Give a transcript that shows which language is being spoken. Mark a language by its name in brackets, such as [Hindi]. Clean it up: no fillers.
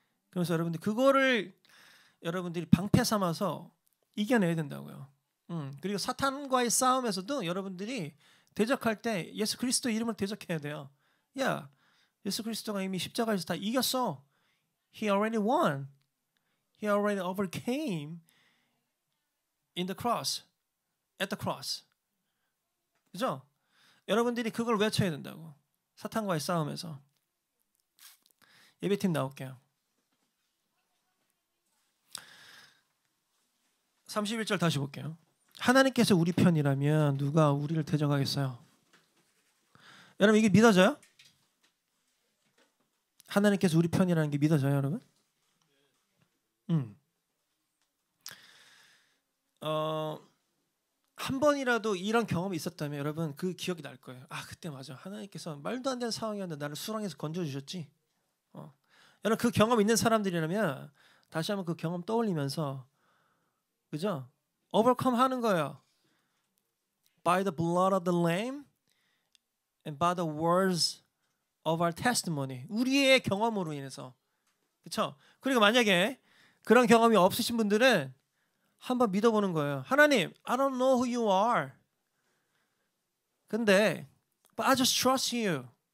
[Korean] 그래서 여러분들 그거를 여러분들이 방패 삼아서 이겨내야 된다고요. 그리고 사탄과의 싸움에서도 여러분들이 대적할 때 예수 그리스도 이름으로 대적해야 돼요. 야, 예수 그리스도가 이미 십자가에서 다 이겼어. [English] He already won. He already overcame in the cross, at the cross. [Korean] 그죠? 여러분들이 그걸 외쳐야 된다고. 사탄과의 싸움에서. 예배팀 나올게요. 31절 다시 볼게요. 하나님께서 우리 편이라면 누가 우리를 대적하겠어요? 여러분 이게 믿어져요? 하나님께서 우리 편이라는 게 믿어져요, 여러분? 한 번이라도 이런 경험이 있었다면 여러분 그 기억이 날 거예요. 아, 그때 맞아. 하나님께서 말도 안 되는 상황이었는데 나를 수렁에서 건져주셨지. 여러분 그 경험 있는 사람들이라면 다시 한번 그 경험 떠올리면서 그죠? Overcome 하는 거예요. [English] By the blood of the lamb and by the words of our testimony. [Korean] 우리의 경험으로 인해서. 그쵸? 그리고 만약에 그런 경험이 없으신 분들은 한번 믿어보는 거예요. [English] 하나님, I don't know who you are. 근데, but I just trust you.